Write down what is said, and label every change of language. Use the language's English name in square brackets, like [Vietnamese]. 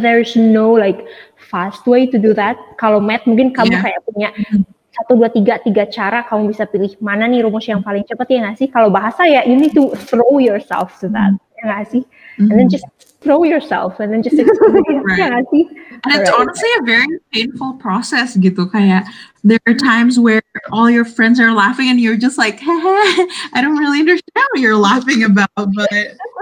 [English] There is no like fast way to do that. [Indonesian] Kalau math mungkin kamu kayak punya 1, 2, 3 cara kamu bisa pilih mana nih rumus yang paling cepat, ya nggak sih? Kalau bahasa ya [English] you need to throw yourself to that, [Indonesian] ya nggak sih? [English] And then just throw yourself and then just explain. Right. And it's honestly a very painful process gitu. Kayak there are times where all your friends are laughing and you're just like, I don't really understand what you're laughing about, but